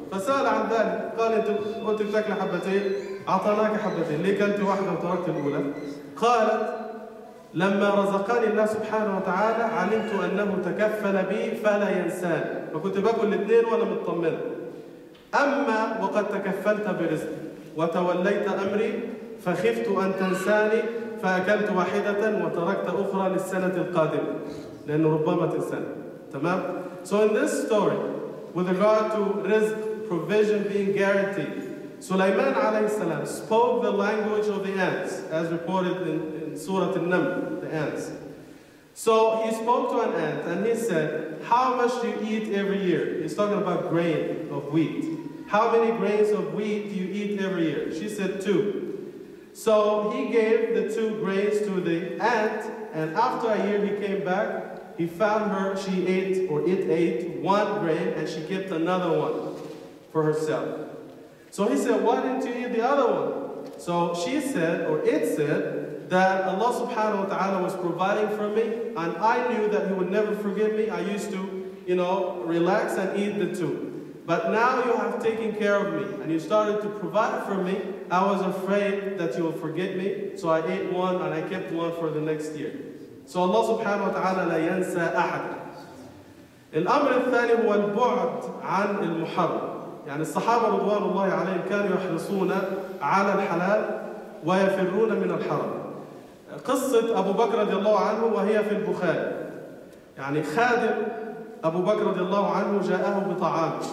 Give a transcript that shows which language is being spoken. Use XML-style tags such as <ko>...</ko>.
<ar>فسأل عن ذلك. قال أنت بتاكل حبتين، أعطاناك حبتين، ليه كلت واحدة وتركت الأولى؟ قالت لما رزقني الله سبحانه وتعالى علمت أنه تكفل بي فلا ينساني، فكنت باكل الاثنين وأنا مطمنة. أما وقد تكفلت برزقي وتوليت أمري فخفت أن تنساني فأكلت واحدة وتركت أخرى للسنة القادمة لأنه ربما تنساني. تمام؟</ar> <en>So in this story with regard to risk provision being guaranteed, سليمان عليه السلام spoke the language of the ants as reported in سورة النمل, the ants. So he spoke to an ant and he said, how much do you eat every year? He's talking about grain of wheat. How many grains of wheat do you eat every year? She said two. So he gave the two grains to the ant, and after a year he came back, he found her, it ate one grain, and she kept another one for herself. So he said, why didn't you eat the other one? So she said, or it said, that Allah subhanahu wa ta'ala was providing for me, and I knew that He would never forgive me. I used to, you know, relax and eat the two. But now you have taken care of me, and you started to provide for me, I was afraid that you will forget me, so I ate one and I kept one for the next year. So</en> <ar>Allah subhanahu wa ta'ala لا ينسى أحد. الأمر الثاني هو البعد عن المحرم. يعني الصحابة رضوان الله عليهم كانوا يحرصون على الحلال ويفرون من الحرام. قصة أبو بكر رضي الله عنه وهي في البخاري. يعني خادم أبو بكر رضي الله عنه جاءه بطعام.</ar>